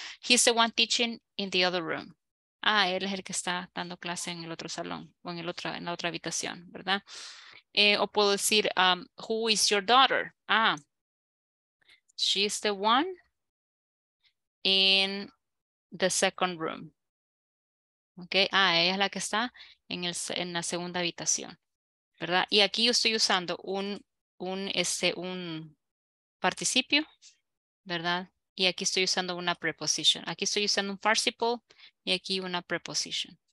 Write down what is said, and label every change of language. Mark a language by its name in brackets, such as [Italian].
[English] He's the one teaching in the other room. [Spanish] Ah, él es el que está dando clase en el otro salón o en la otra habitación, ¿verdad? O puedo decir, [English] who is your daughter? Ah, she's the one in the second room. Okay. [Spanish] Ah, ella es la que está en la segunda habitación, ¿verdad? Y aquí yo estoy usando un participio, ¿verdad? Y aquí estoy usando una preposition. Aquí estoy usando un participle y aquí una preposition.